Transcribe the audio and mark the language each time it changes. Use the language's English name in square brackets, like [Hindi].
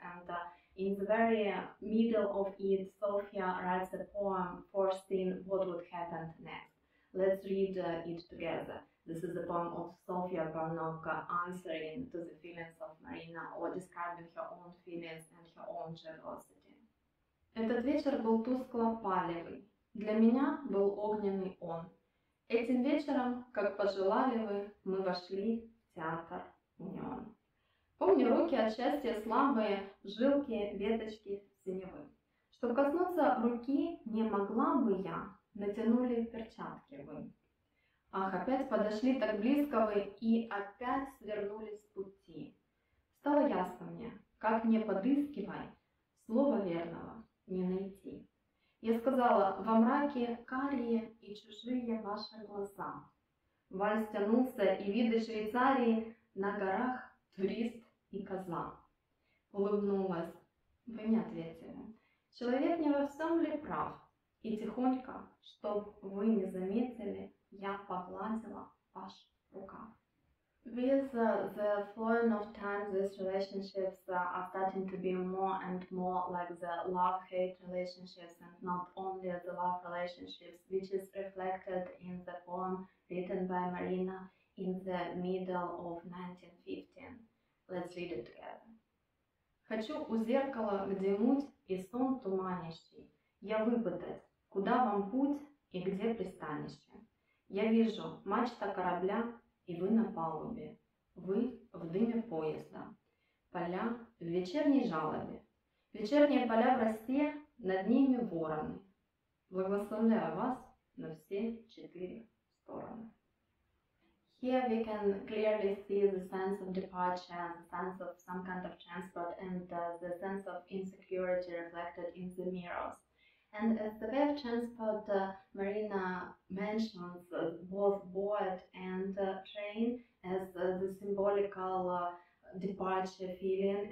[English] And in the very middle of it, Sofya writes a poem foreseeing what would happen next. Let's read it together. This is a poem of Sofya Parnok answering to the feelings of Marina, or describing her own feelings and her own generosity. [Russian] Этот вечер был тускло-палевый. Для меня был огненный он. Этим вечером, как пожелали вы, мы вошли в театр неон. Помню руки от счастья слабые, жилки, веточки синевы. Чтоб коснуться руки не могла бы я, натянули перчатки вы. Ах, опять подошли так близко вы и опять свернули с пути. Стало ясно мне, как не подыскивай, слова верного не найти. Я сказала, во мраке карие и чужие ваши глаза. Вальс тянулся и виды Швейцарии на горах турист. И коза улыбнулась. Вы не ответили. Человек не во всем ли прав? И тихонько, чтоб вы не заметили, я погладила ваш рукав. [English] With the flowing of time, these relationships are starting to be more and more like the love-hate relationships, and not only the love relationships, which is reflected in the poem written by Marina in the middle of 1915. Let's read it together. [Russian] Хочу у зеркала, где муть и сон туманящий, я выпытать, куда вам путь и где пристанище. Я вижу мачта корабля, и вы на палубе, вы в дыме поезда. Поля в вечерней жалобе, вечерние поля в росте, над ними вороны. Благословляю вас на все четыре стороны. [English] Here we can clearly see the sense of departure, the sense of some kind of transport, and the sense of insecurity reflected in the mirrors. And as the way of transport, Marina mentions both board and train as the symbolical departure feeling.